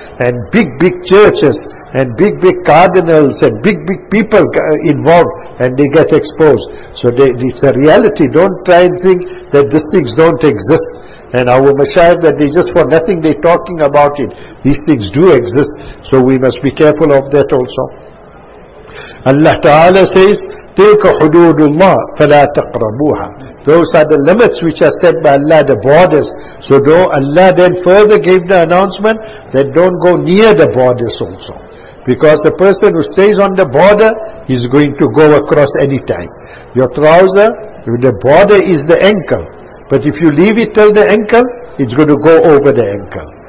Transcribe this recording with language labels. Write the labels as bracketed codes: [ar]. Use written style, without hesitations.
[en] And big, big churches, and big, big cardinals, and big, big people involved, and they get exposed. So it's a reality. Don't try and think that these things don't exist. And our mashayikh, that they just for nothing, they're talking about it. These things do exist. So we must be careful of that also. Allah Ta'ala says, [ar] تِلْكَ حُدُودُ اللَّهِ فَلَا تَقْرَبُوهَا. [en] Those are the limits which are set by Allah, the borders. So though Allah then further gave the announcement that don't go near the borders also. Because the person who stays on the border is going to go across any time. Your trouser, the border is the ankle. But if you leave it till the ankle, it's going to go over the ankle.